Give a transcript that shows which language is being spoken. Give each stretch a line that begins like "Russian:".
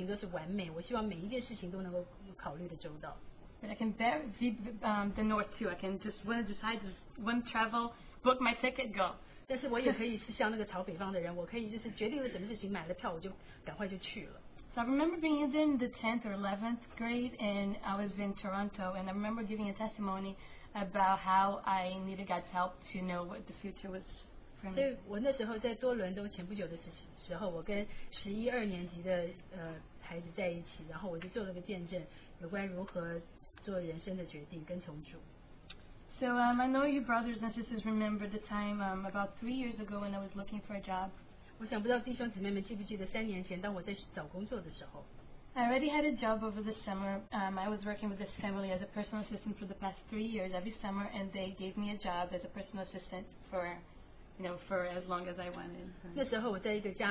Chinese: 所以当我在计划人生的时候,我希望我在未来的五年之内,每一件事情都是完美,我希望每一件事情都能够考虑得周到。
English: But I can bear the north too, I can just want to decide, just want to travel, book my ticket, go.
Chinese: 但是我也可以是像那个朝北方的人,我可以就是决定了什么事情,买了票,我就赶快就去了。
English: So I remember being in the 10th or 11th grade, and I was in Toronto, and I remember giving a testimony about how I needed God's help to know what the future was for me.
Chinese: 所以我那时候在多伦多前不久的时候,我跟11、12年级的孩子在一起,然后我就做了个见证,有关如何做人生的决定跟重组。
English: So I know you brothers and sisters remember the time about 3 years ago when I was looking for a job.
Chinese: 我想不知道弟兄姊妹们记不记得三年前当我在找工作的时候。
English: I already had a job over the summer. I was working with this family as a personal assistant for the past 3 years every summer, and they gave me a job as a personal assistant for, you know, for as long as I wanted.